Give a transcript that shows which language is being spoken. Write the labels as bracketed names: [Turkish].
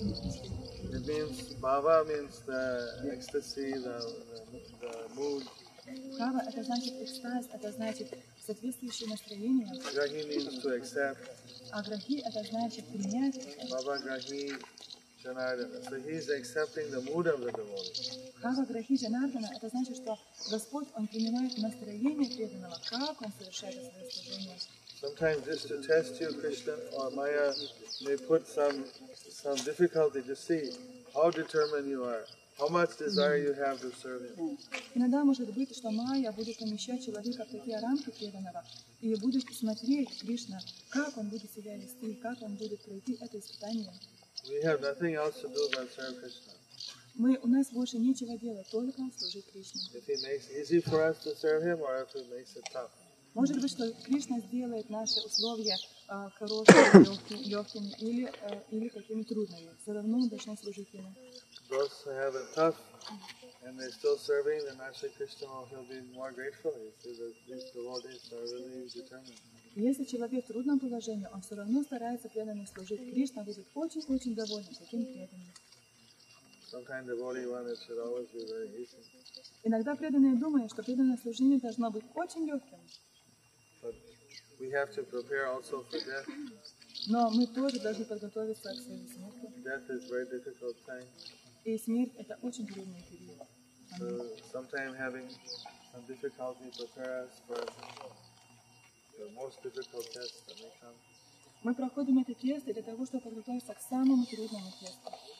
[English] It means Baba means the ecstasy, the mood. [Russian] Baba это значит экстаз, это значит соответствующее настроение. [English] Grahi means to accept. [Russian] А Grahi это значит принять. [Sanskrit] Baba Grahi Janardana. [English] So he is accepting the mood of the devotee. [Russian] Кава Грахи Джанардана – это значит, что Господь, Он принимает настроение преданного, как Он совершает свое служение. [English] Sometimes just to test you, Krishna or Maya may put some difficulty to see how determined you are, how much desire you have to serve Him. [Russian] Иногда может быть, что Майя будет помещать человека в такие рамки преданного и будет смотреть Кришна, как он будет себя вести, как он будет пройти это испытание. [English] We have nothing else to do but serve Krishna. [Russian] Мы, у нас больше нечего делать, только служить Кришне. [English] If he makes it easy for us to serve him or if he makes it tough. [Russian] Может быть, что Кришна сделает наши условия хорошими, легкими или какими трудными. Все равно мы должны служить ему. [English] Those who have it tough and they're still serving, then actually Krishna will be more grateful if these devotees are really determined. [Russian] Если человек в трудном положении, он все равно старается преданно служить. Кришна будет очень-очень доволен таким преданным. [English] Some kind of holy one, it should always be very easy. [Russian] Иногда преданные думают, что преданное служение должно быть очень легким. [English] But we have to prepare also for death. [Russian] Но мы тоже должны подготовиться к своей смерти. [English] Death is a very difficult thing. [Russian] И смерть это очень трудный период. [English] So sometimes having some difficulty prepare us for the most difficult test that may come. [Russian] Мы проходим эти тесты для того, чтобы подготовиться к самому трудному тесту.